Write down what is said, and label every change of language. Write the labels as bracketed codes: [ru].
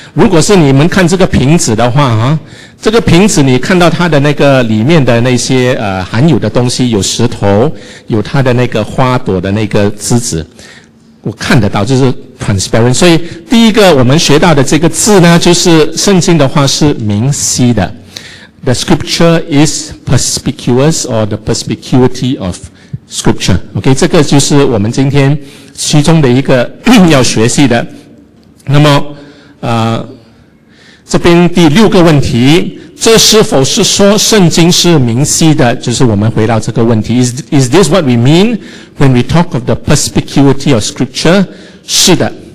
[zh] 如果是你们看这个瓶子的话啊，这个瓶子你看到它的那个里面的那些含有的东西，有石头，有它的那个花朵的那个枝子，我看得到，就是 transparent。所以第一个我们学到的这个字呢，就是圣经的话是明晰的。 [en] The scripture is perspicuous, or the perspicuity of scripture. [zh] OK, 这个就是我们今天其中的一个要学习的。那么这边第六个问题，这是否是说圣经是明晰的？就是我们回到这个问题， [en] Is this what we mean when we talk of the perspicuity of scripture? [zh] 是的。